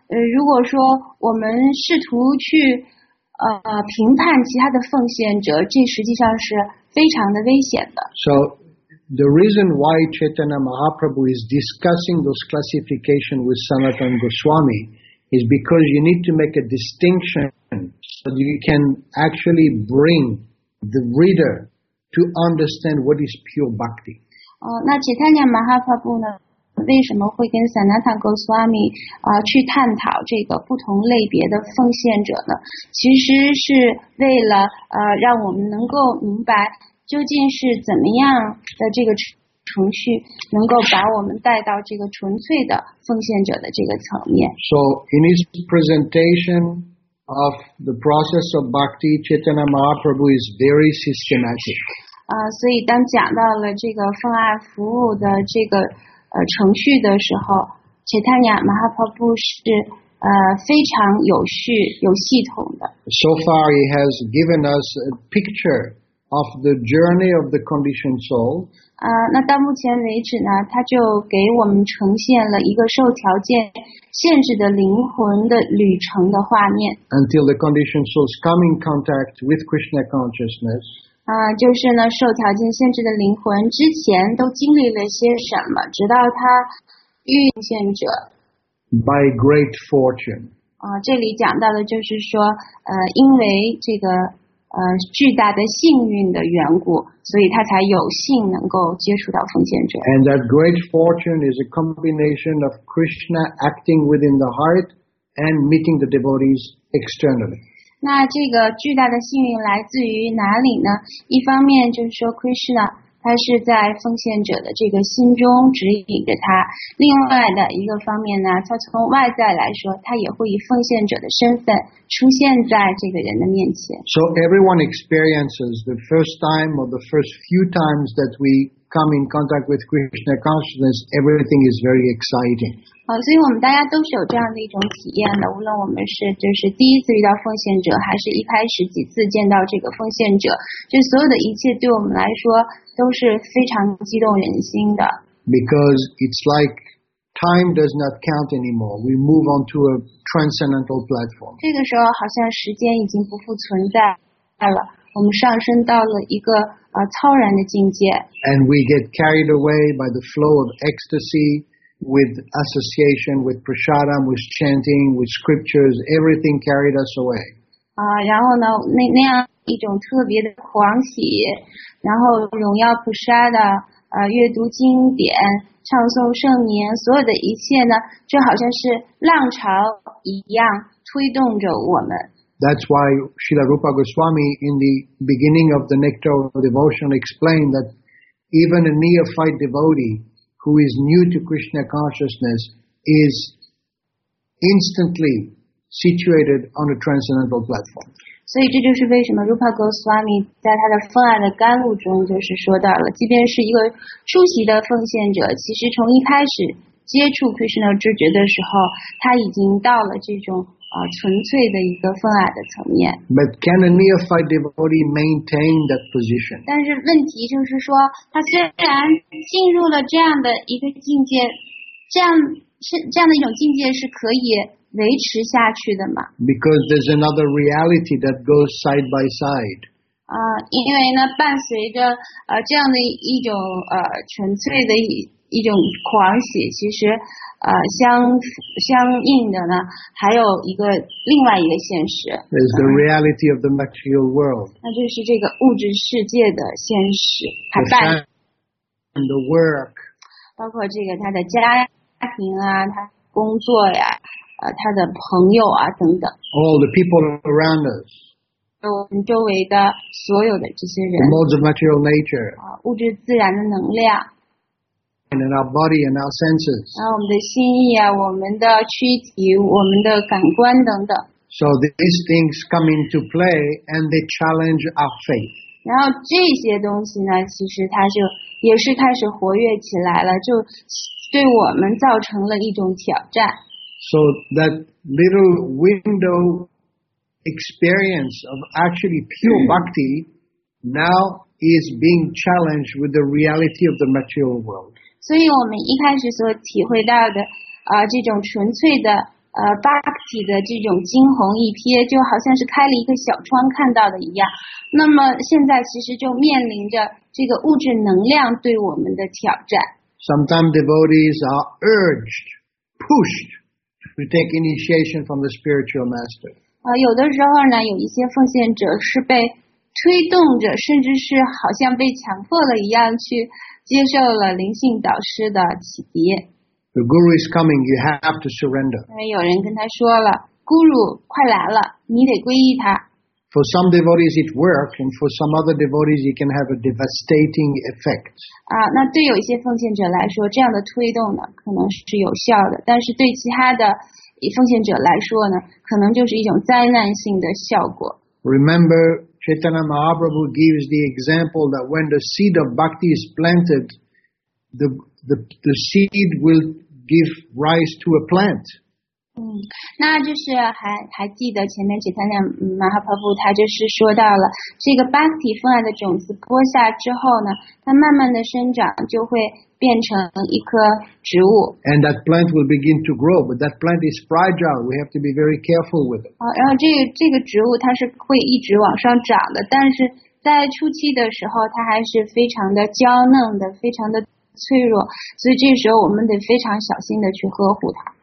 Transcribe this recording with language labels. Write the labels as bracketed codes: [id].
[zh] 如果说我们试图去评判其他的奉献者，这实际上是非常的危险的。 [en] So the reason why Chaitanya Mahaprabhu is discussing those classification with Sanatan Goswami is because you need to make a distinction. So you can actually bring the reader to understand what is pure bhakti. [zh] 那 Chaitanya Mahaprabhu 呢？为什么会跟 Sanatan Goswami 去探讨这个不同类别的奉献者呢？其实是为了让我们能够明白究竟是怎么样的这个程序能够把我们带到这个纯粹的奉献者的这个层面。 [en] So in his presentation. Of the process of bhakti, Chaitanya Mahaprabhu is very systematic. [zh] 所以当讲到了这个奉爱服务的这个程序的时候 ，Chaitanya Mahaprabhu 是非常有序有系统的。 [en] So far he has given us a picture of the journey of the conditioned soul. [zh] 那到目前为止呢，他就给我们呈现了一个受条件限制的灵魂的旅程的画面。 [en] Until the conditioned souls come in contact with Krishna consciousness. [zh] 就是呢，受条件限制的灵魂之前都经历了些什么，直到他遇见者。 [en] By great fortune. [zh] 这里讲到的就是说，因为这个巨大的幸运的缘故，所以他才有幸能够接触到奉献者。 [en] And that great fortune is a combination of Krishna acting within the heart and meeting the devotees externally. [zh] 那这个巨大的幸运来自于哪里呢？一方面就是说 Krishna 他是在奉献者的这个心中指引着他，另外的一个方面呢，他从外在来说，他也会以奉献者的身份出现在这个人的面前。 [en] So everyone experiences the first time or the first few times that we come in contact with Krishna consciousness, everything is very exciting. [zh] 所以我们大家都是有这样的一种体验的，无论我们是就是第一次遇到奉献者，还是一开始几次见到这个奉献者，就所有的一切对我们来说都是非常激动人心的。 [en] Because it's like,Time does not count anymore. We move on to a transcendental platform. [zh] 这个时候好像时间已经不复存在了，我们上升到了一个超然的境界。 [en] And we get carried away by the flow of ecstasy with association, with prasadam, with chanting, with scriptures. Everything carried us away. [zh] 然后呢，那样一种特别的狂喜，然后荣耀菩萨的阅读经典。唱诵圣名，所有的一切呢，就好像是浪潮一样推动着我们。 [en] That's why Srila Rupa Goswami in the beginning of the Nectar of Devotion explained that even a neophyte devotee who is new to Krishna consciousness is instantly situated on a transcendental platform. [zh] 所以这就是为什么 Rupa Goswami 在他的《奉爱的甘露》中就是说到了，即便是一个初级的奉献者，其实从一开始接触 Krishna 知觉的时候，他已经到了这种纯粹的一个奉爱的层面。 [en] But can a neophyte devotee maintain that position? [zh] 但是问题就是说，他虽然进入了这样的一个境界，这样的一种境界是可以维持下去的嘛。 [en] Because there's another reality that goes side by side. [zh] 因为呢伴随着这样的一种纯粹的一种狂喜，其实相应的呢还有一个另外一个现实。 [en] There's the reality of the material world. [zh] 那就是这个物质世界的现实。 [en] And the work. [zh] 包括这个他的家庭啊，他工作呀。他的朋友啊等等。 [en] All the people around us. [zh] 我们周围的所有的这些人。 [en] The modes of material nature. [zh] 物质自然的能量。 [en] And in our body and our senses. [zh] 我们的心意啊，我们的躯体，我们的感官等等。 [en] So these things come into play and they challenge our faith. [zh] 然后这些东西呢，其实它就也是开始活跃起来了，就对我们造成了一种挑战。 [en] So that little window experience of actually pure bhakti now is being challenged with the reality of the material world. [zh] 所以我们一开始所体会到的这种纯粹的bhakti 的这种惊鸿一瞥，就好像是开了一个小窗看到的一样。那么现在其实就面临着这个物质能量对我们的挑战。 [en] Sometimes devotees are urged, pushed,to take initiation from the spiritual master. [zh] 有的时候呢，有一些奉献者是被推动着，甚至是好像被强迫了一样，去接受了灵性导师的启迪。 [en] The guru is coming. You have to surrender. [zh] 因为有人跟他说了 ，Guru 快来了，你得皈依他。 [en] For some devotees, it works, and for some other devotees, it can have a devastating effect. [zh] 那对有一些奉献者来说，这样的推动呢，可能是有效的；但是对其他的奉献者来说呢，可能就是一种灾难性的效果。 [en] Remember, Chaitanya Mahaprabhu gives the example that when the seed of bhakti is planted, the seed will give rise to a plant. [zh] 那就是还记得前面几天的马哈帕布，他就是说到了这个巴克提风爱的种子播下之后呢，它慢慢的生长就会变成一棵植物。 And that plant will begin to grow, but that plant is fragile. We have to be very careful with it. 然后这个植物它是会一直往上长的，但是在初期的时候它还是非常的娇嫩的，非常的脆弱，所以这时候我们得非常小心的去呵护它。